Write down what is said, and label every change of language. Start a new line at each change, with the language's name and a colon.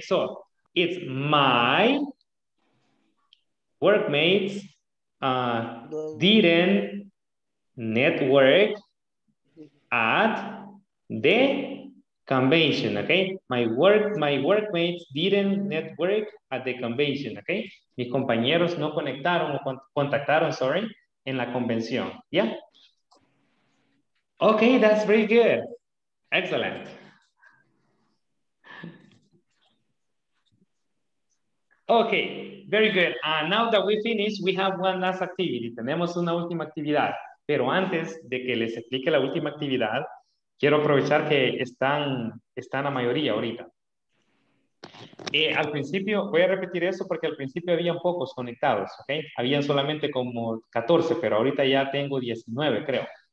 English: So, it's my workmates didn't network at the convention, okay? My workmates didn't network at the convention, okay?
Spanish: Mis compañeros no conectaron o contactaron, sorry, en la convención, yeah?
English: Okay, that's very good. Excellent. Okay, very good. Now that we finish, we have one last activity.
Spanish: Tenemos una última actividad. Pero antes de que les explique la última actividad, quiero aprovechar que están la mayoría ahorita. Al principio, voy a repetir eso porque al principio habían pocos conectados, okay? Habían solamente como 14, pero ahorita ya tengo 19, creo.